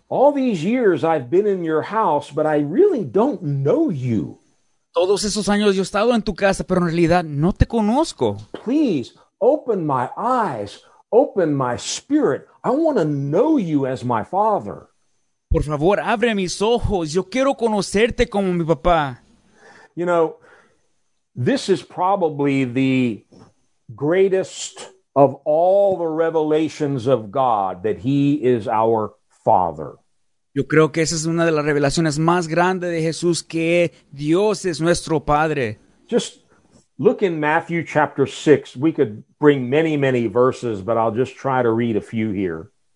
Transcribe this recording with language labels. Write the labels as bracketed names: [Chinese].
[English] All these years I've been in your house, but I really don't know you. [Spanish] Todos esos años yo he estado en tu casa, pero en realidad no te conozco. [English] Please open my eyes, open my spirit. I want to know you as my father. [Spanish] Por favor, abre mis ojos. Yo quiero conocerte como mi papá. [English] You know, this is probably the greatest of all the revelations of God, that he is our father. [Spanish] Yo creo que esa es una de las revelaciones más grandes de Jesús, que Dios es nuestro padre. [English] Just look in Matthew chapter 6. We could bring many, many verses, but I'll just try to read a few here.